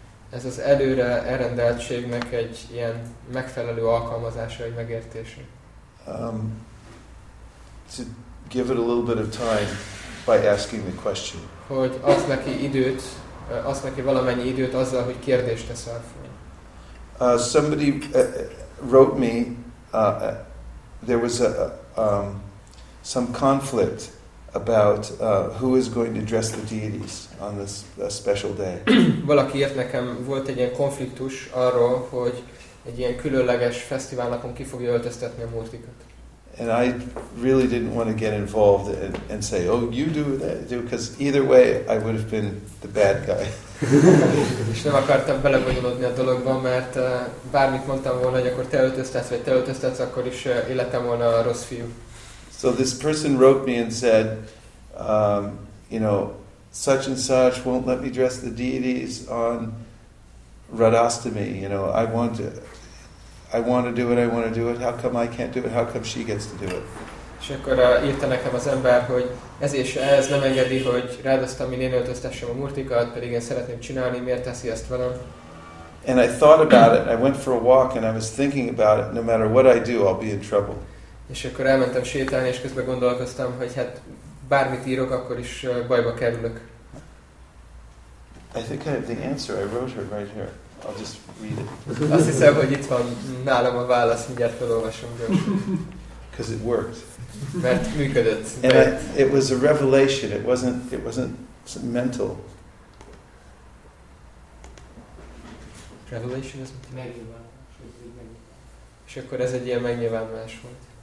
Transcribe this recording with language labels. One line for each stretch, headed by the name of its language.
Hungarian: Ez az előre elrendeltségnek egy ilyen megfelelő alkalmazása, egy megértése.
English: To give it a little bit of time by asking the question.
Hungarian: Hogy adsz neki időt, adsz neki valamennyi időt azzal, hogy kérdést teszel fel.
English: Somebody wrote me. There was some conflict about who is going to dress the deities on this special day.
Hungarian: Valaki írt nekem, volt egy ilyen konfliktus arról, hogy egy ilyen különleges fesztiválnapon ki fogja öltöztetni a múltikat.
English: And I really didn't want to get involved and say, oh, you do that, because either way, I would have been the bad guy.
Hungarian: És nem akartam belebonyolódni a dologba, mert bármit mondtam volna, hogy akkor te öltöztetsz, vagy te öltöztetsz, akkor is életem volna a rossz fiú.
English: So this person wrote me and said, you know, such and such won't let me dress the deities on Radhastami, you know, I want to... I want to do it, I want to do it. How come I can't do it? How come she gets to do it?
Hungarian: És akkor írta nekem az ember, hogy ez és ez nem engedi, hogy rádoztam, én öltöztessem a murtikat, pedig én szeretném csinálni, miért teszi ezt velem?
English: And I thought about it, I went for a walk, and I was thinking about it, no matter what I do, I'll be in trouble.
Hungarian: És akkor elmentem sétálni, és közben gondolkoztam, hogy hát bármit írok, akkor is bajba kerülök.
English: I think I have the answer, I wrote her right here. I'll just read it.
Hungarian: Azt hiszem, hogy itt van nálam a válasz, mindjárt felolvasom.
English: Because it worked.
Hungarian: Mert működött.
English: And it was a revelation, it wasn't mental.
Hungarian: Revelation is megnyilvánulás. És akkor ez egy ilyen megnyilvánulás volt.